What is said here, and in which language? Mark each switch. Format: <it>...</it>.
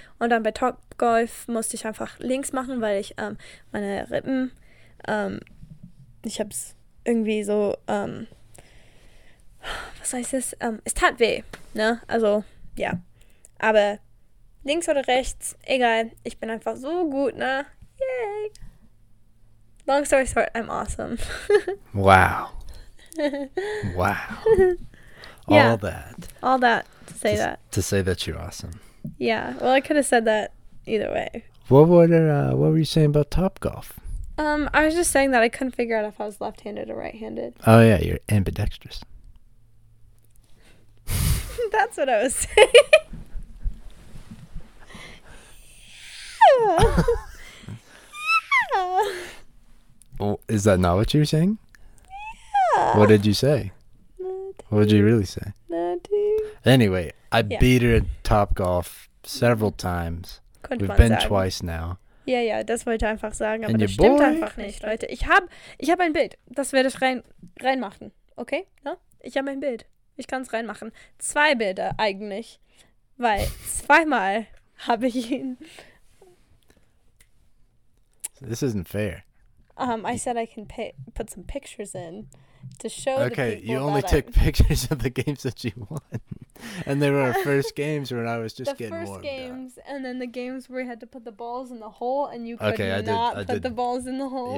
<de>Und dann bei Topgolf musste ich einfach links machen, weil ich meine Rippen, ich habe es irgendwie so, was heißt es? Es tat weh, ne? Also, ja. Aber links oder rechts, egal, ich bin einfach so gut, ne?</de> <en>Yay! Long story short, I'm awesome. Wow. Wow. Yeah. All that. All that. Say that. To say that you're awesome. Yeah. Well, I could have said that either way. What were you saying about Topgolf? I was just saying that I couldn't figure out if I was left-handed or right-handed. Oh, yeah. You're ambidextrous. That's what I was saying. Yeah. Well, is that not what you were saying? Yeah. What did you say? Nothing. What did you really say? Nothing. Anyway, I beat her at Topgolf several times. Quinn We've been Zag. Twice now.</en> <de>Ja, ja, das wollte ich einfach sagen, aber das stimmt einfach nicht, Leute. Ich hab ein Bild, das werde ich reinmachen, okay? Ja? Ich habe ein Bild, ich kann es reinmachen. Zwei Bilder eigentlich, weil zweimal habe ich ihn.</de> <en>This isn't fair. I said I can put some pictures in to show the people. Okay, you only took pictures of the games that you won. And they were our first games when I was just getting warmed up. The first games, and then the games where you had to put the balls in the hole, and you could not put the balls in the hole.</en>